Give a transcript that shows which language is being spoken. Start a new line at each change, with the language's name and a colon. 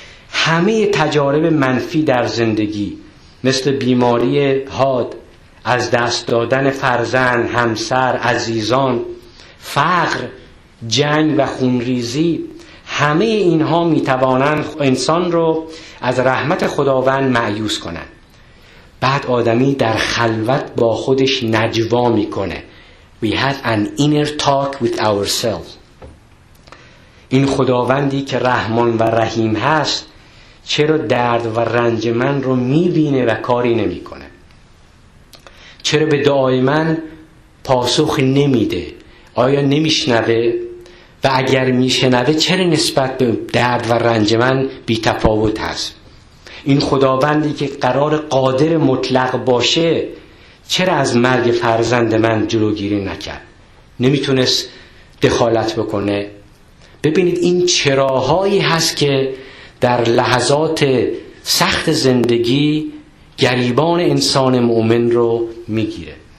Persian: همه تجارب منفی در زندگی مثل بیماری حاد، از دست دادن فرزند، همسر، عزیزان، فقر، جنگ و خونریزی، همه اینها میتوانند انسان رو از رحمت خداوند مایوس کنند. بعد آدمی در خلوت با خودش نجوا میکنه.
English: We had an inner talk with ourselves.
Persian: این خداوندی که رحمان و رحیم هست چرا درد و رنج من رو میبینه و کاری نمیکنه؟ چرا به دعای من پاسخ نمیده، آیا نمیشنوه؟ و اگر میشنوه چرا نسبت به درد و رنج من بیتفاوت هست؟ این خداوندی که قرار قادر مطلق باشه چرا از مرگ فرزند من جلوگیری نکرد؟ نمیتونست دخالت بکنه؟ ببینید این چراهایی هست که در لحظات سخت زندگی گریبان انسان مؤمن رو میگیره.